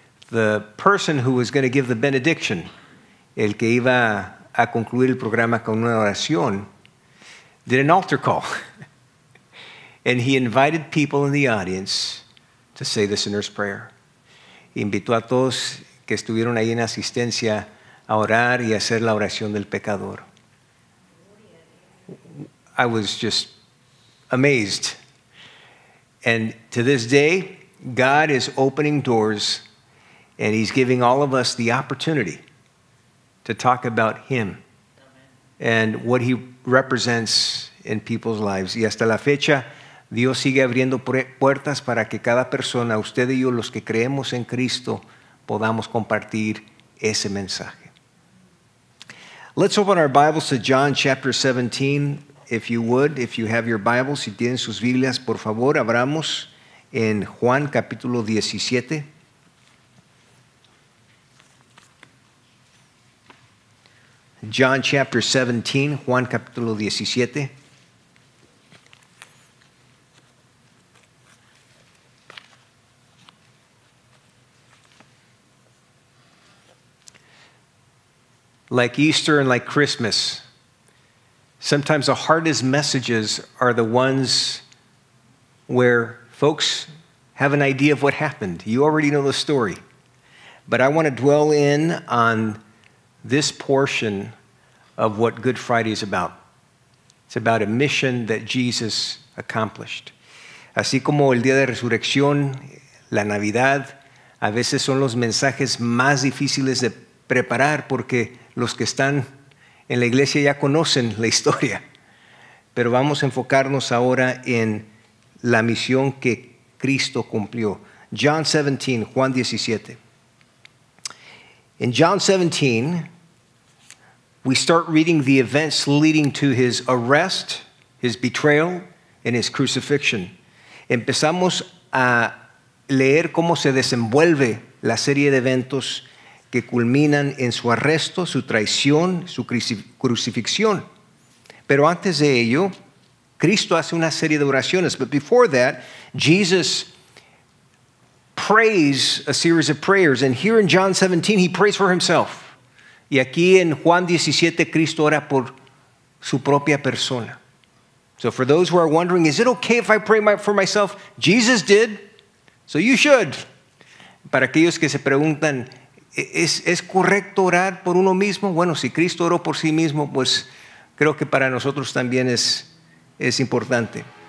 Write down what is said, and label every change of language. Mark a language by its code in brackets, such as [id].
[en] The person who was going to give the benediction, [es] el que iba a concluir el programa con una oración, [en] did an altar call. And he invited people in the audience to say the sinner's prayer. [es] Invitó a todos que estuvieron ahí en asistencia a orar y hacer la oración del pecador. [en] I was just amazed. And to this day, God is opening doors and he's giving all of us the opportunity to talk about him and what he represents in people's lives. [es] Y hasta la fecha, Dios sigue abriendo puertas para que cada persona, usted y yo, los que creemos en Cristo, podamos compartir ese mensaje. [en] Let's open our Bibles to John chapter 17, if you would, if you have your Bibles. [es] Si tienen sus Biblias, por favor, abramos en Juan capítulo 17. [en] John chapter 17, [es] Juan capítulo 17. [en] Like Easter and like Christmas, sometimes the hardest messages are the ones where folks have an idea of what happened. You already know the story. But I want to dwell in on this portion of what Good Friday is about. It's about a mission that Jesus accomplished. [es] Así como el Día de Resurrección, la Navidad, a veces son los mensajes más difíciles de preparar porque los que están en la iglesia ya conocen la historia. Pero vamos a enfocarnos ahora en la misión que Cristo cumplió. [en] John 17, Juan 17. In John 17, we start reading the events leading to his arrest, his betrayal, and his crucifixion. [es] Empezamos a leer cómo se desenvuelve la serie de eventos que culminan en su arresto, su traición, su crucifixión. Pero antes de ello, Cristo hace una serie de oraciones. [en] But before that, Jesus prays a series of prayers. And here in John 17, he prays for himself. [es] Y aquí en Juan 17, Cristo ora por su propia persona. [en] So for those who are wondering, is it okay if I pray for myself? Jesus did, so you should. [es] Para aquellos que se preguntan, ¿Es correcto orar por uno mismo? Bueno, si Cristo oró por sí mismo, pues creo que para nosotros también es importante.